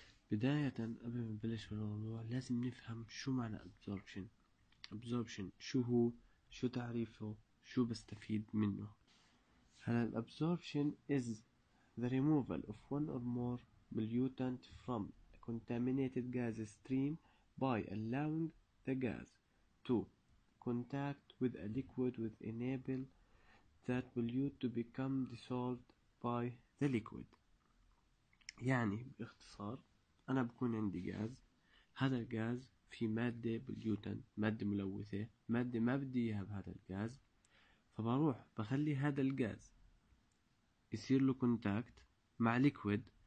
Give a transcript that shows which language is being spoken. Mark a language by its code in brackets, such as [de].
[ar] بداية قبل ما نبلش بالموضوع لازم نفهم شو معنى ابزوربشن. ابزوربشن شو هو، شو تعريفه، شو بستفيد منه. هلا الابزوربشن [en] is the removal of one or more pollutant from contaminated gas stream by allowing the gas to contact with a liquid would enable that pollutant to become dissolved by the liquid. [ar] يعني باختصار انا بكون عندي غاز، هذا الغاز في مادة pollutant، مادة ملوثة، مادة ما بدي اياها بهذا الغاز، فبروح بخلي هذا الغاز يصير له contact مع liquid.